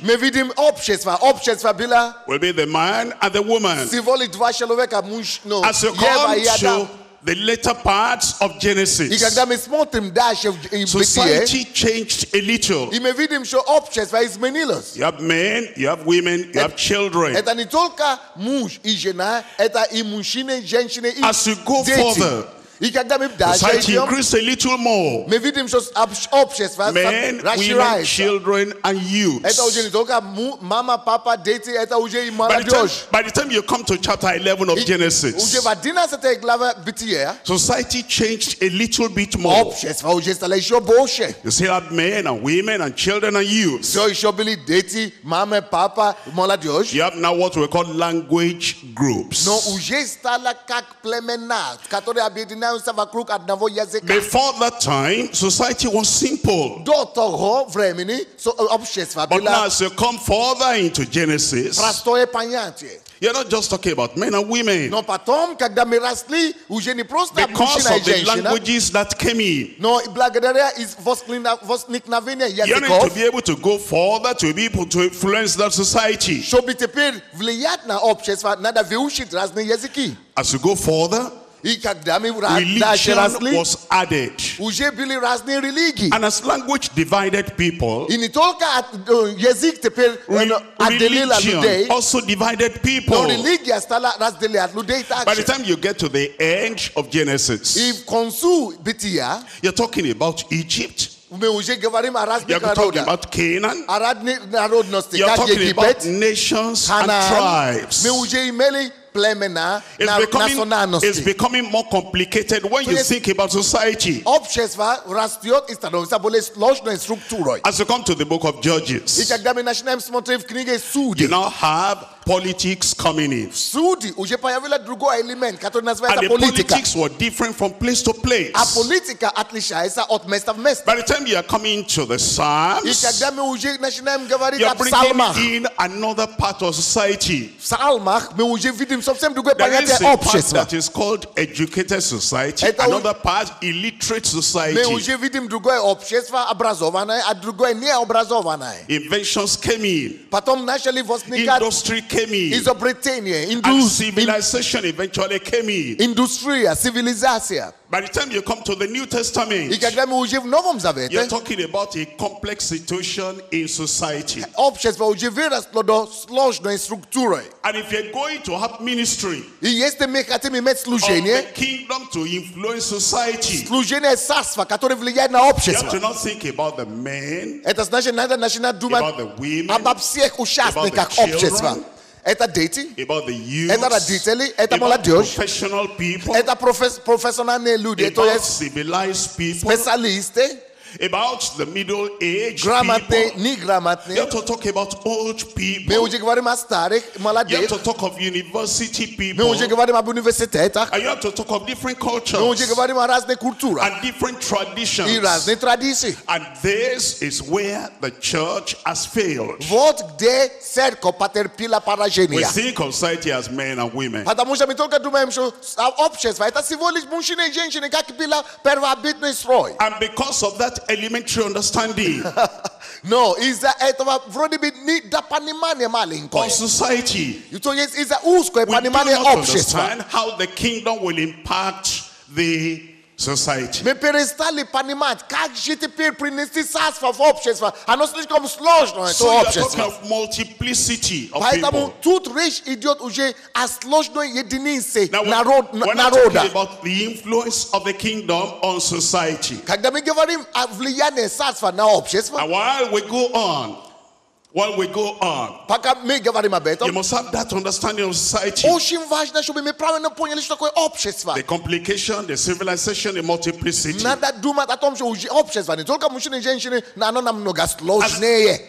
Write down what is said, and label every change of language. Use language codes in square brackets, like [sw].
[ru] мы видим общество, общество было, [en] will be the man and the woman. [ru] Всего лишь два человека, муж, но, [en] as you come to the later parts of Genesis, society changed a little. You have men, you have women, you have children. As you go further, [ru] и когда мы дальше идем, мы видим, что общество расширяется. Это уже не только мама, папа, дети, это уже и молодежь. [en] By the time you come to chapter 11 of Genesis, [ru] уже в 11 главе Бытия, [en] society changed a little bit more. [ru] Общество уже стало еще больше. [en] You still have men and women and children and youths. [ru] Все еще были дети, мама, папа, молодежь. [en] You have now what we call language groups. [ru] Но уже стало как племена, которые объединяются. [en] Before that time, society was simple. But now, as you come further into Genesis, you're not just talking about men and women. [ru] Но потом, когда мы росли, уже не просто мужчина и женщина. [en] Because of the languages that came in. You need to be able to go further to be able to influence that society. [ru] Чтобы теперь влиять на общество, надо выучить разные языки. [en] As you go further, religion was added. [ru] Уже были разные религии. [en] And as language divided people, religion also divided people. [ru] Но религия стала разделять людей также. [en] By the time you get to the end of Genesis, if konsu bitia, you're talking about Egypt. [ru] Мы уже говорим о разных народах. [en] You're talking about Canaan. You're talking about nations and tribes. [ru] Мы уже имели племена национальности. [en] It's becoming more complicated when you think about society. [ru] Общество растет и становится более сложной структурой. [en] As you come to the book of Judges, [ru] и когда мы начинаем смотреть в книге Судей, [en] you now have politics coming in. [ru] Судей уже появился другой элемент, который называется политика. [en] And the politics were different from place to place. [ru] А политика отличается от места в место. [en] By the time you are coming to the Psalms, [ru] и когда мы уже начинаем говорить о псалмах, [en] in another part of society. [ru] Псалмах мы уже видим совсем другое понятие общества. [en] That is called educated society. Another part, illiterate society. [ru] Мы уже видим другое общество, образованное, а другое необразованное. [en] Inventions came in. [ru] Потом начали возникать. [en] Industry came in. [ru] Изобретение, [en] civilization eventually came in. [ru] Индустрия, цивилизация. [en] By the time you come to the New Testament, you're talking about a complex situation in society. And if you're going to have ministry, the kingdom to influence society, you have to not think about the men, about the women, about the children. [ru] Это дети, [en] about the youth, [ru] это родители, это молодежь, [en] professional people, [ru] это профессиональные люди, [en] about [ru] это [en] civilized people, [ru] специалисты, [en] about the middle age [ru] грамотные, [en] people, [ru] неграмотные. [en] You have to talk about old people. [ru] Мы уже говорим о старых, молодых. [en] You have to talk of university people. [ru] Мы уже говорим об университетах. [en] And you have to talk of different cultures. [ru] Мы уже говорим о разных культурах. [en] And different traditions. [ru] И разные традиции. [en] And this is where the church has failed. [ru] Вот где церковь потерпела поражение. [en] We think of society as men and women. [ru] Потому что мы только думаем, что общество это всего лишь мужчины и женщины, как было первобытный строй. [en] And because of that elementary understanding. No, is that [ru] это вроде бы не до понимания маленького. [en] Of society. You told us is that [ru] узкое понимание общества. [en] We do not understand how the kingdom will impact the society. [ru] Мы перестали понимать, как же теперь принести царство в общество. Оно слишком сложно, это общество. [en] So you're talking of multiplicity of people. [ru] Поэтому тут речь идет уже о сложной единице народа. [en] Now we're talking about the influence of the kingdom on society. [ru] Когда мы говорим о влиянии царства на общество. [en] And while we go on, [ru] пока мы говорим об этом, [en] you must have that understanding of society. [ru] Очень важно, чтобы мы правильно поняли, что такое общество. [en] The complication, the civilization, the multiplicity. [ru] Надо думать о том, что общество не только мужчины и женщины, но оно намного сложнее.